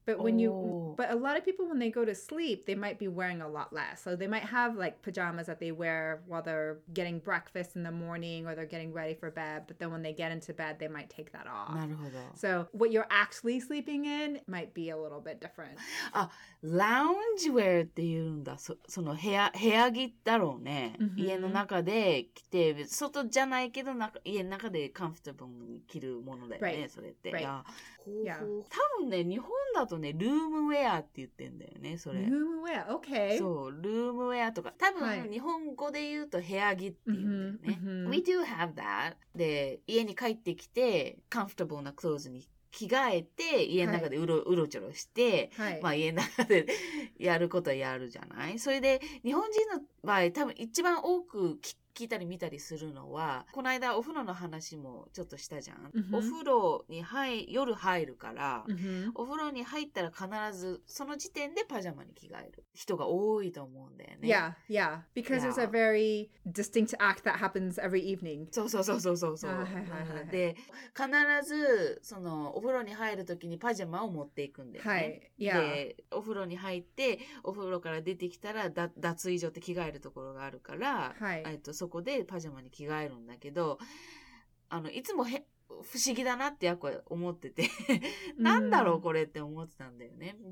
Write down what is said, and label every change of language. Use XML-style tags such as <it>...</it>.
<en>But when but a lot of people, when they go to sleep, they might be wearing a lot less. So they might have like pajamas that they wear while they're getting breakfast in the morning or they're getting ready for bed. But then when they get into bed, they might take that off. So what you're actually sleeping in might be a little bit different.</en> <ja>Ah, lounge wear っていうんだ。その部屋着だろうね。家の中で着て、外じゃないけど家の中で comfortable に着るものだよね。それって。</ja> <en>Yeah.</en> <ja>多分ね、日本だとね、ルームウェアって言ってんだよね、それ。ルームウェア、OK。そう、ルームウェアとか。多分、はい、日本語で言うと部屋着って言うんだよね。</ja> <en>Mm-hmm. We do have that.</en> <ja>で、家に帰ってきて、comfortable なクローズに着替えて、家の中でうろちょろして、はい、まあ家の中でやることはやるじゃない？それで、日本人の場合、多分一番多く聞いたり見たりするのは、この間お風呂の話もちょっとしたじゃん。</ja> <en>Mm-hmm.</en> <ja>お風呂に夜入るから、</ja> <en>mm-hmm.</en> <ja>お風呂に入ったら必ずその時点でパジャマに着替える人が多いと思うんだよね。</ja> <en>Yeah, yeah. Because it's a very distinct act that happens every evening.</en> <ja>そうそうそうそうそうそう。で、必ずそのお風呂に入るときにパジャマを持っていくんだよね。はい。Yeah. で、お風呂に入ってお風呂から出てきたら脱衣所って着替えるところがあるから、はい。そこでパジャマに着替えるんだけど、いつも不思議だなってヤッコは思っててなんだろうこれって思ってたんだよね、mm-hmm.</ja>